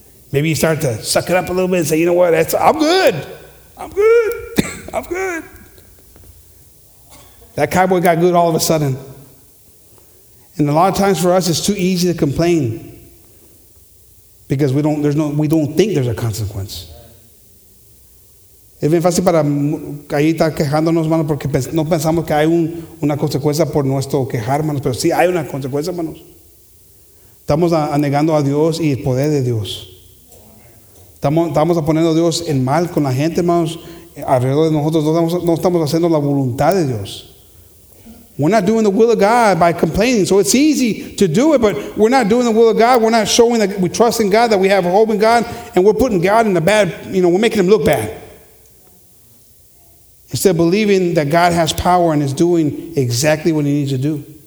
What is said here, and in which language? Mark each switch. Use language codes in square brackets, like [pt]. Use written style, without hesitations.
[en] Maybe you start to suck it up a little bit and say, you know what, I'm good. That cowboy got good all of a sudden. And a lot of times for us, it's too easy to complain because we don't think there's a consequence. [es] Es bien fácil para ahí estar quejándonos, hermanos, porque no pensamos que hay una consecuencia por nuestro quejar, hermanos, pero sí hay una consecuencia, hermanos. Estamos anegando a Dios y el poder de Dios. Estamos poniendo a Dios en mal con la gente, hermanos, alrededor de nosotros. No estamos haciendo la voluntad de Dios. [en] We're not doing the will of God by complaining. So it's easy to do it, but we're not doing the will of God. We're not showing that we trust in God, that we have hope in God, and we're putting God in a bad, you know, we're making him look bad. Instead of believing that God has power and is doing exactly what he needs to do.